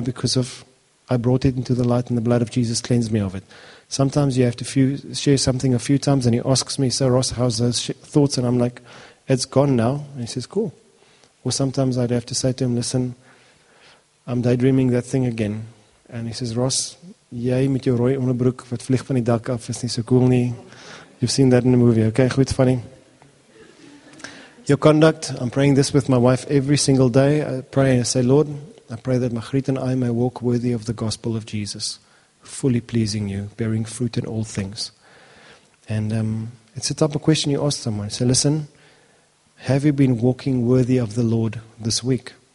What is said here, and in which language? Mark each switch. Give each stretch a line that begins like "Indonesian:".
English: Because of I brought it into the light and the blood of Jesus cleansed me of it. Sometimes you have to share something a few times and he asks me, so Ross, how's those thoughts? And I'm like, it's gone now. And he says, cool. Or sometimes I'd have to say to him, listen, I'm daydreaming that thing again. And he says,
Afrikaans: Ross, jy met jou rooi onderbroek wat vlieg van die dak af is nie so cool nie.
English: You've seen that in the movie. Okay, goed, funny. Your conduct, I'm praying this with my wife every single day. I pray and I say, Lord, I pray that Magriet and I may walk worthy of the gospel of Jesus, fully pleasing you, bearing fruit in all things. And it's the type of question you ask someone. Say, listen, have you been walking worthy of the Lord this week?